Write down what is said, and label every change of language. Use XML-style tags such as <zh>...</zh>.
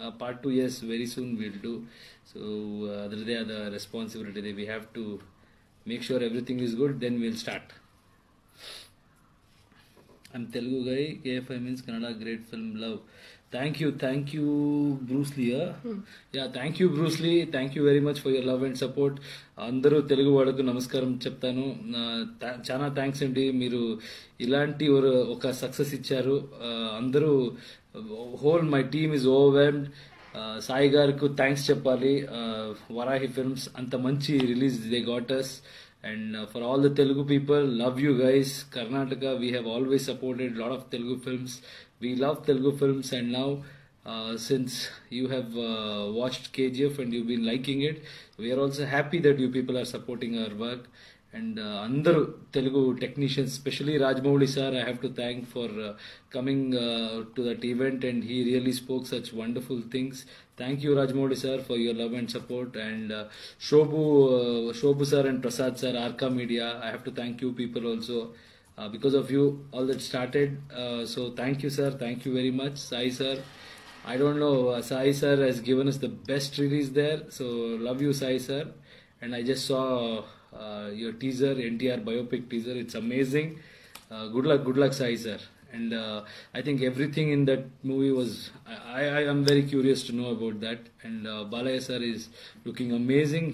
<en>Part 2 as very soon will do. So</en> <kn>ಅದರದೇ ಆದ responsibility ಇದೆ,</kn> <en>We have to make sure everything is good, then will start. I am Telugu guy, KFI means Kannada, great film, love. Thank you ಬ್ರೂಸ್ಲಿಯ. Yeah thank you Bruce Lee, thank you very much for your love and support.</en> <te>ಅಂದರೂ ತೆಲುಗು ವಾಡಕ್ಕೂ ನಮಸ್ಕಾರం చెప్తాను. చాలా thanks అండి, మీరు ఇలాంటి ఒక success ఇచ్చారు. అందరూ,</te> <en>Whole my team is overwhelmed.</en> <te>Sai గారికి థ్యాంక్స్ చెప్పాలి, వరాహి ఫిల్మ్స్ అంత మంచి release they గాటస్.</te> <en>And for all the Telugu people, love you guys. Karnataka, we have always supported lot of Telugu films, we love Telugu films. And now since you have watched KGF and you been liking it, we are also happy that you people are supporting our work. And అందరూ Telugu technicians, specially Rajamouli sir, I have to thank for coming to that event and he really spoke such wonderful things. Thank you Rajamouli sir for your love and support. And Shobu sir and Prasad sir, Arka Media, I have to thank you people also, because of you all that started. So thank you sir, thank you very much. Sai sir, I don't know. Sai sir has given us the best release there. So love you, Sai sir. And I just saw your teaser, NTR biopic teaser. It's amazing. Good luck, Sai sir. And I think everything in that movie was. I am very curious to know about that. And Balaji sir is looking amazing.</en>